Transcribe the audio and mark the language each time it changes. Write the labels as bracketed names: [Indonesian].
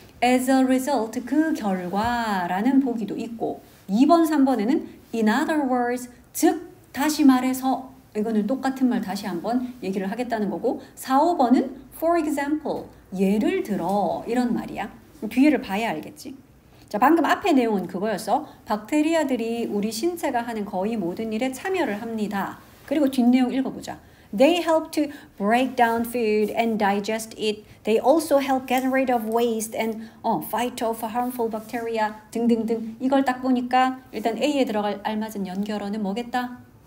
[English] As a result, [Korean] 그 결과라는 보기도 있고 2번, 3번에는 [English] In other words, [Korean] 즉 다시 말해서, 이거는 똑같은 말 다시 한번 얘기를 하겠다는 거고, 4, 5번은 [English] For example, [Korean] 예를 들어 이런 말이야. 뒤를 봐야 알겠지. 자, 방금 앞에 내용은 그거였어. 박테리아들이 우리 신체가 하는 거의 모든 일에 참여를 합니다. 그리고 뒷내용 읽어보자. [English] They help to break down food and digest it. They also help get rid of waste and fight off harmful bacteria 등등등. [Korean] 이걸 딱 보니까 일단 A에 들어갈 알맞은 연결어는 뭐겠다?